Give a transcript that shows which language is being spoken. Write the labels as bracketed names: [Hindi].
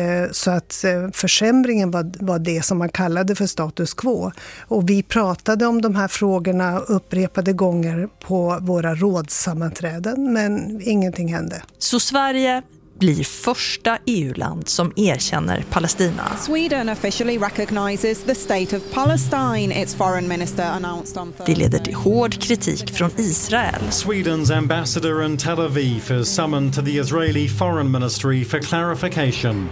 [Swedish] Så att försämringen var det som man kallade för status quo. Och vi pratade om de här frågorna upprepade gånger på våra rådssammanträden, men ingenting hände. Så Sverige blir första EU-land som erkänner Palestina. [English] Sweden officially recognizes the state of Palestine, its foreign minister announced on Thursday. [Swedish] Det leder till hård kritik från Israel. [English] Sweden's ambassador in Tel Aviv is summoned to the Israeli foreign ministry for clarification.